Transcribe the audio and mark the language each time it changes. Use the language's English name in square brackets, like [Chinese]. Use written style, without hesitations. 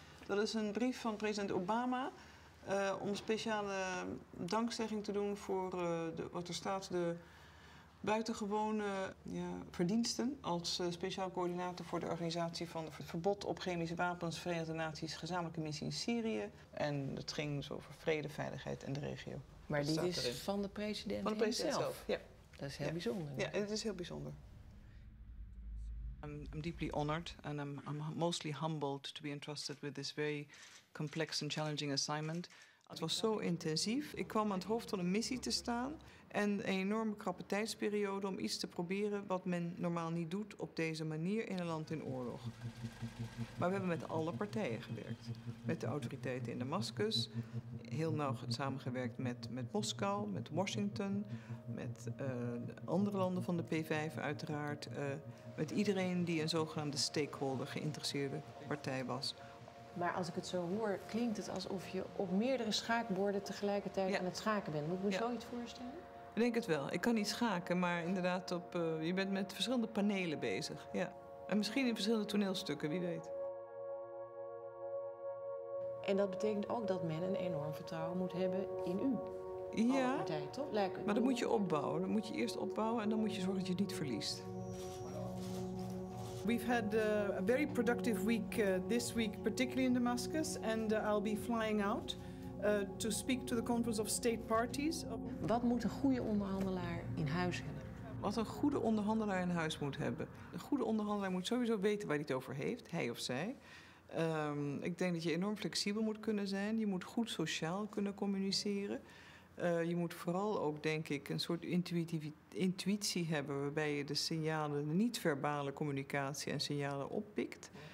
[Dutch] Dat is een brief van president Obama... om speciale dankzegging te doen voor wat er staat, de buitengewone verdiensten als speciaal coördinator voor de organisatie van het verbod op chemische wapens, Verenigde Naties gezamenlijke missie in Syrië. En het ging dus over vrede, veiligheid en de regio. Maar dat die is erin. Van de president zelf? Van de president zelf, ja. Dat is heel bijzonder. Ja, het is heel bijzonder. [English] I'm deeply honored, and I'm mostly humbled to be entrusted with this very complex and challenging assignment. [Dutch] Het was zo intensief. Ik kwam aan het hoofd van een missie te staan en een enorme krappe tijdsperiode om iets te proberen wat men normaal niet doet op deze manier in een land in oorlog. Maar we hebben met alle partijen gewerkt. Met de autoriteiten in Damascus, heel nauw samengewerkt met Moskou, met Washington, met andere landen van de P5 uiteraard. Met iedereen die een zogenaamde stakeholder geïnteresseerde partij was. Maar als ik het zo hoor, klinkt het alsof je op meerdere schaakborden tegelijkertijd aan het schaken bent. Moet ik me zoiets voorstellen? Ik denk het wel. Ik kan niet schaken, maar inderdaad, je bent met verschillende panelen bezig. Ja. En misschien in verschillende toneelstukken, wie weet. En dat betekent ook dat men een enorm vertrouwen moet hebben in u. Ja, partijen, toch? Lijkt maar dat moet je opbouwen. Dat moet je eerst opbouwen en dan moet je zorgen dat je het niet verliest. [English] We've had a very productive week this week, particularly in Damascus, and I'll be flying out to speak to the conference of state parties. [Dutch] Wat moet een goede onderhandelaar in huis hebben? Wat een goede onderhandelaar in huis moet hebben? Een goede onderhandelaar moet sowieso weten waar hij het over heeft, hij of zij. Ik denk dat je enorm flexibel moet kunnen zijn. Je moet goed sociaal kunnen communiceren. Je moet vooral ook, denk ik, een soort intuïtie hebben waarbij je de signalen, de niet-verbale communicatie en signalen oppikt.